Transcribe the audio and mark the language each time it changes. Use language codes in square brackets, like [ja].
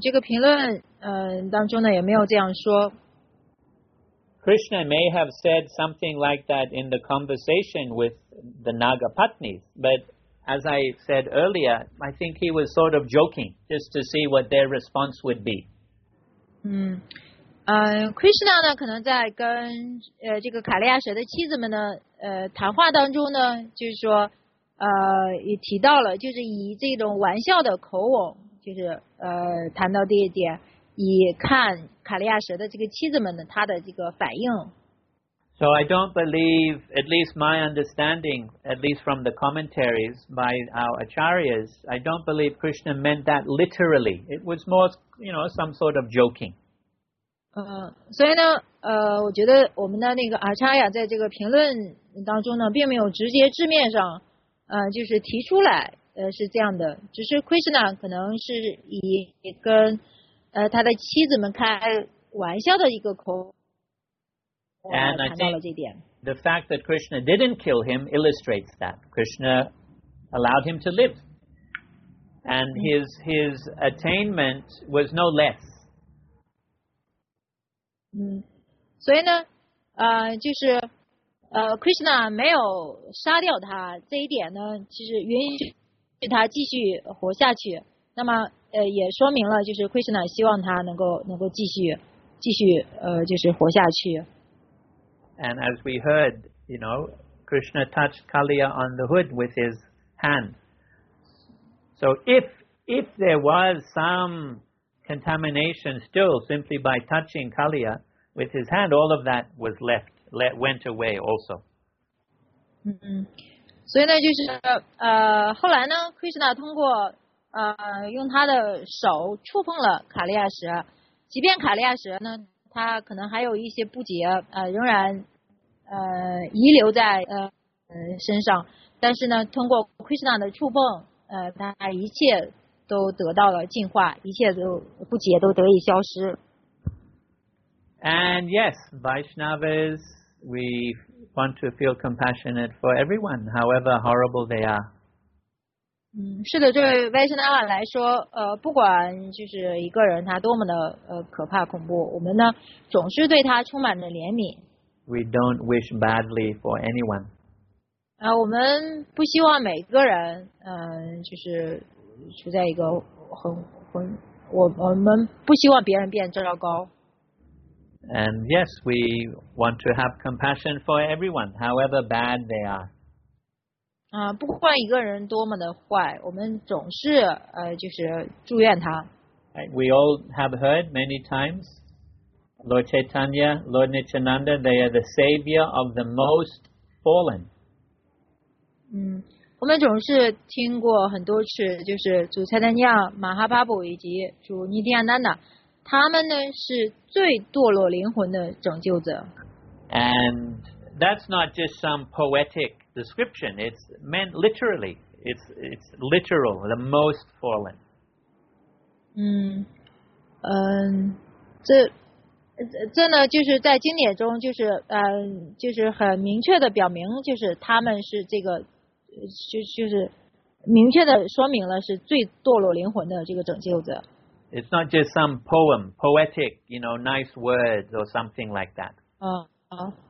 [zh] 这个评论当中呢也没有这样说。 [en] Krishna may have said something like that in the conversation with the Nagapatnis, but as I said earlier, I think he was sort of joking just to see what their response would be. [zh] Krishna 呢可能在跟这个卡利亚舍的妻子们呢谈话当中呢，就是说也提到了，就是以这种玩笑的口吻，就是谈到这一点。以看卡利亚舍的这个妻子们的他的这个反应。 [en] So I don't believe, at least my understanding, at least from the commentaries by our acharyas, I don't believe Krishna meant that literally. It was more, you know, some sort of joking. [zh] 所以呢，我觉得我们的那个阿查亚在这个评论当中呢，并没有直接字面上，就是提出来，是这样的，只是 Krishna 可能是以跟他的妻子们开玩笑的一个口，谈到了这点。 [en] The fact that Krishna didn't kill him illustrates that Krishna allowed him to live, and his attainment was no less. [zh] 所以呢，就是Krishna 没有杀掉他这一点呢，其实允许他继续活下去。那么。也说明了，就是 Krishna 希望他能够继续就是活下去。 [en] And as we heard, you know, Krishna touched Kaliya on the hood with his hand. So if there was some contamination still simply by touching Kaliya with his hand, all of that was went away also. [zh] 所以呢，就是后来呢 ，Krishna 通过用他的手触碰了卡利亚什，即便卡利亚什呢，他可能还有一些不洁，仍然遗留在身上，但是呢，通过 Krishna 的触碰，他一切都得到了净化，一切都不洁都得以消失。 [en] And yes, Vaishnavas, we want to feel compassionate for everyone, however horrible they are. [zh] 是的，对 Vaishnava 来说，不管就是一个人他多么的可怕恐怖，我们呢总是对他充满了怜悯。 [en] We don't wish badly for anyone. [zh] 我们不希望每个人，就是处在一个很，我们不希望别人变糟糕。 [en] And yes, we want to have compassion for everyone, however bad they are. [zh] 不管一个人多么的坏，我们总是就是祝愿他。 [en] We all have heard many times, Lord Chaitanya, Lord Nityananda, they are the savior of the most fallen. [zh] 我们总是听过很多次，就是主蔡丹亚、马哈巴布以及主尼迪亚丹娜，他们呢是最堕落灵魂的拯救者。 [en] And that's not just some poetic. Description. It's meant literally. It's literal. The most fallen. [zh] 这呢，就是在经典中，就是就是很明确的表明，就是他们是这个，就是明确的说明了是最堕落灵魂的这个拯救者。 [en] It's not just some poem, poetic, you know, nice words or something like that.